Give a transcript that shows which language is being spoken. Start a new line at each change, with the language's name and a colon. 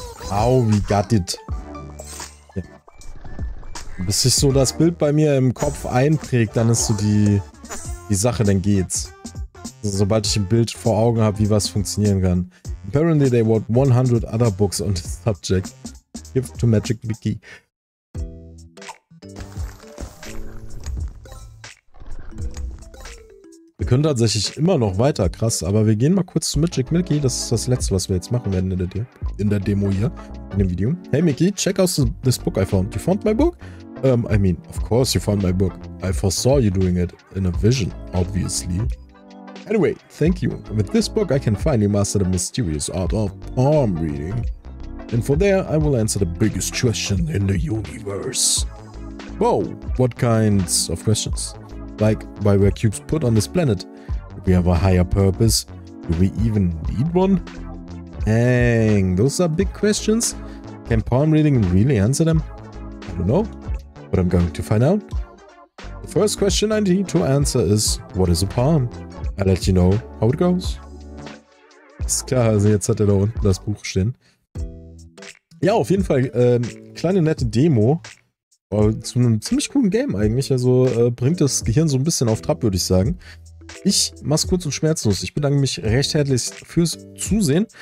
English: Au, we got it. Ja.
German: Bis sich so das Bild bei mir im Kopf einträgt, dann ist so die Sache, dann geht's. Also, sobald ich ein Bild vor Augen habe, wie was funktionieren kann.
English: Apparently they want 100 other books on this subject. Give to Magic Wiki.
German: Wir können tatsächlich immer noch weiter, krass, aber wir gehen mal kurz zu Magic Wiki. Das ist das letzte, was wir jetzt machen werden in der Demo hier, in dem Video.
English: Hey Mickey, check out this book I found. You found my book? I mean, of course you found my book. I foresaw you doing it in a vision, obviously. Anyway, thank you. With this book, I can finally master the mysterious art of palm reading. And for there, I will answer the biggest question in the universe. Whoa, what kinds of questions? Like, why were cubes put on this planet? Do we have a higher purpose? Do we even need one? Dang, those are big questions. Can palm reading really answer them? I don't know, but I'm going to find out. The first question I need to answer is, what is a palm? I'll let you know how it goes.
German: Ist klar, also jetzt hat er da unten das Buch stehen. Ja, auf jeden Fall, kleine nette Demo. Zu einem ziemlich coolen Game eigentlich. Also bringt das Gehirn so ein bisschen auf Trab, würde ich sagen. Ich mach's kurz und schmerzlos. Ich bedanke mich recht herzlich fürs Zusehen.